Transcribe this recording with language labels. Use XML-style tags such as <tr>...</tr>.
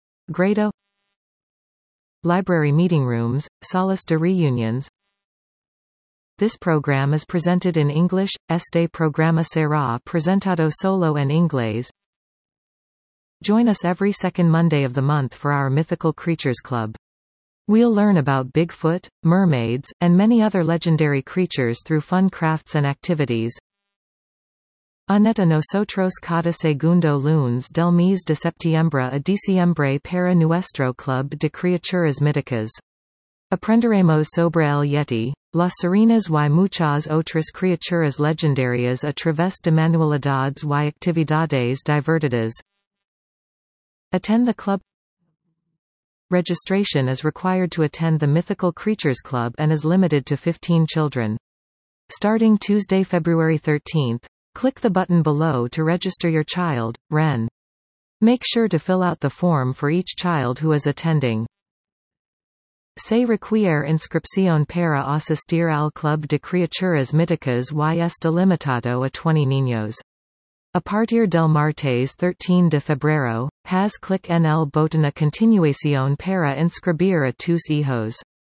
<en>Grado Library Meeting Rooms,</en> <es>Salas de Reuniones</es> <en>This program is presented in English,</en> <es>Este programa será presentado solo en inglés.</es> <en>Join us every second Monday of the month for our Mythical Creatures Club. We'll learn about Bigfoot, mermaids, and many other legendary creatures through fun crafts and activities.</en> <es>Aneta nosotros cada segundo lunes del mes de septiembre a diciembre para nuestro club de criaturas míticas. Aprenderemos sobre el yeti. Las Serenas y muchas otras criaturas legendarias a través de manualidades y actividades divertidas.</es> <en>Attend the club. Registration is required to attend the Mythical Creatures Club and is limited to 15 children. Starting Tuesday, February 13, click the button below to register your child, Ren. Make sure to fill out the form for each child who is attending.</en> <es>Se requiere inscripción para asistir al Club de Criaturas Míticas y está limitado a 20 niños. A partir del martes 13 de febrero, has clic en el botón a continuación para inscribir a tus hijos.</es>